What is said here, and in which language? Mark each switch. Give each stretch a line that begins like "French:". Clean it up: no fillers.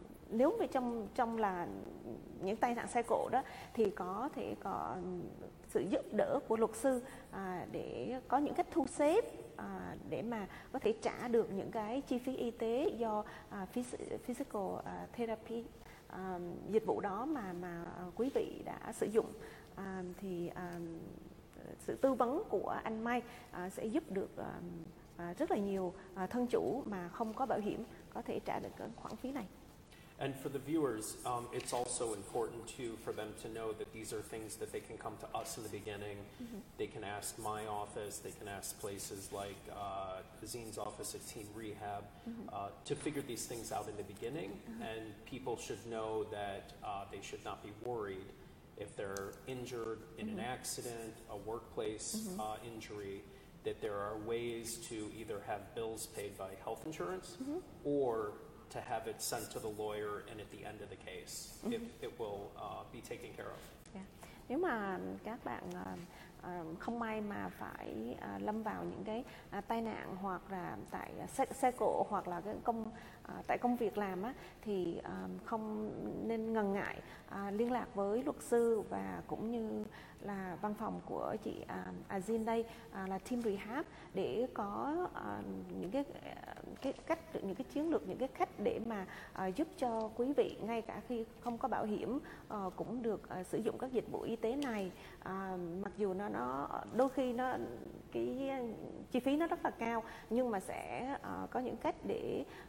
Vietnamese: nếu về trong là những tai nạn xe cộ đó, thì có thể có sự giúp đỡ của luật sư để có những cách thu xếp để mà có thể trả được những cái chi phí y tế do physical therapy dịch vụ đó mà quý vị đã sử dụng. Thì sự tư vấn của anh Mai sẽ giúp được rất là nhiều thân chủ mà không có bảo hiểm có thể trả được cái khoản phí này.
English: And for the viewers, it's also important too for them to know that these are things that they can come to us in the beginning. They can ask my office, they can ask places like Zine's office at Team Rehab to figure these things out in the beginning. And people should know that they should not be worried if they're injured in an accident, a workplace injury, that there are ways to either have bills paid by health insurance or to have it sent to the lawyer, and at the end of the case, it will be taken care of. Yeah.
Vietnamese: Nếu mà các bạn không may mà phải lâm vào những cái tai nạn hoặc là tại xe cộ hoặc là cái công tại công việc làm á, thì không nên ngần ngại liên lạc với luật sư và cũng như là văn phòng của chị Azin đây là Team Rehab để có những cái cách, những cái chiến lược, những cái cách để mà giúp cho quý vị ngay cả khi không có bảo hiểm cũng được sử dụng các dịch vụ y tế này, mặc dù nó đôi khi nó cái chi phí nó rất là cao, nhưng mà sẽ có những cách để